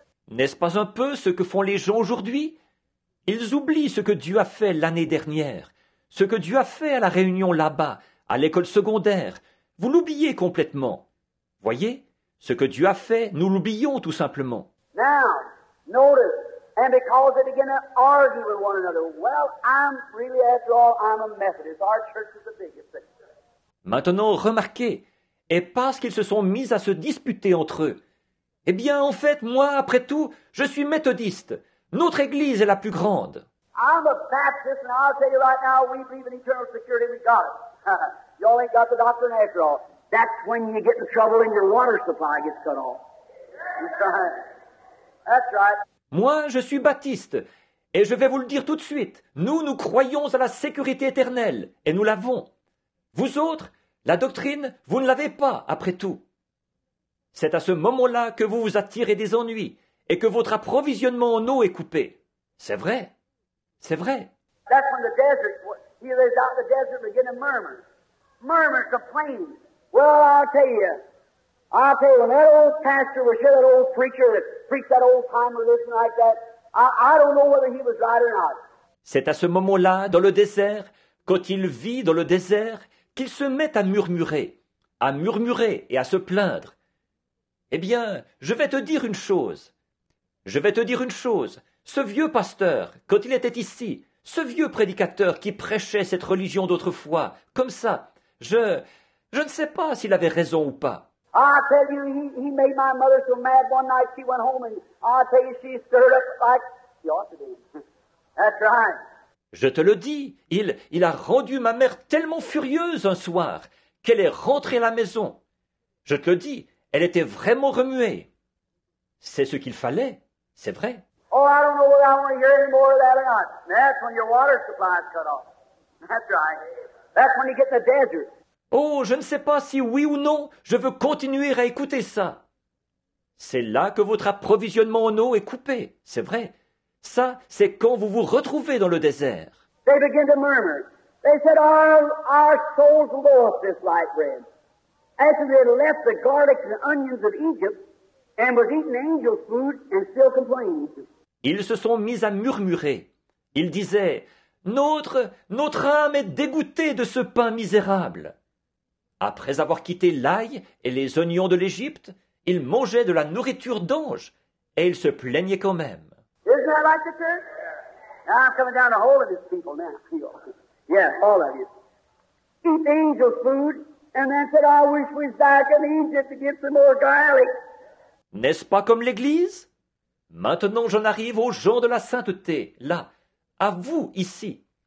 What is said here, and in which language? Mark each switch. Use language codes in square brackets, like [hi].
[fr] N'est-ce pas un peu ce que font les gens aujourd'hui? Ils oublient ce que Dieu a fait l'année dernière, ce que Dieu a fait à la réunion là-bas, à l'école secondaire. Vous l'oubliez complètement. Voyez, ce que Dieu a fait, nous l'oublions tout simplement. [en] Now, notice, and because they begin to argue with one another, well, I'm really, after all, I'm a Methodist. Our church is the biggest thing. [fr] Maintenant, remarquez, et parce qu'ils se sont mis à se disputer entre eux, eh bien, en fait, moi, après tout, je suis méthodiste. Notre église est la plus grande. [en] I'm a Baptist and I'll tell you right now, we believe in eternal security, we got it. Y'all ain't got the doctrine after all. That's when you get in trouble and your water supply gets cut off. That's right. [fr] Moi, je suis baptiste et je vais vous le dire tout de suite. Nous croyons à la sécurité éternelle et nous l'avons. Vous autres, la doctrine, vous ne l'avez pas après tout. C'est à ce moment-là que vous vous attirez des ennuis. Et que votre approvisionnement en eau est coupé. C'est vrai. C'est vrai. [en] That's when the desert, he lives out in the desert, begin to murmur. Murmur, complain. Well, I'll tell you, when that old pastor would share that old preacher, preach that old time religion like that, I don't know whether he was right or not. [fr] C'est à ce moment-là, dans le désert, quand il vit dans le désert, qu'il se met à murmurer et à se plaindre. Eh bien, je vais te dire une chose. Je vais te dire une chose. Ce vieux pasteur, quand il était ici, ce vieux prédicateur qui prêchait cette religion d'autrefois, comme ça, je ne sais pas s'il avait raison ou pas. [en] I tell you, he made my mother so mad one night she went home and I tell you she stirred up like she ought to be. That's right. [fr] Je te le dis, il a rendu ma mère tellement furieuse un soir qu'elle est rentrée à la maison. Je te le dis, elle était vraiment remuée. C'est ce qu'il fallait, c'est vrai. [en] Oh, I don't know whether I want to hear any more of that or not. That's when your water supply is cut off. That's right. That's when you get in the desert. [fr] Oh, je ne sais pas si oui ou non, je veux continuer à écouter ça. C'est là que votre approvisionnement en eau est coupé, c'est vrai. Ça, c'est quand vous vous retrouvez dans le désert. [en] They begin to murmur. They said, our souls loathe this light bread. After they had left the garlic and onions of Egypt and was eating angel food and still complained. [fr] Ils se sont mis à murmurer. Ils disaient, notre âme est dégoûtée de ce pain misérable. Après avoir quitté l'ail et les oignons de l'Égypte, ils mangeaient de la nourriture d'ange et ils se plaignaient quand même. [en] Isn't that like the church? Now I'm coming down to all of these people now. Yeah, all of you. Eat the angel food and then said, I wish we were back in Egypt to get some more garlic. [fr] N'est-ce pas comme l'Église? Maintenant j'en arrive aux gens de la sainteté, là, à vous ici.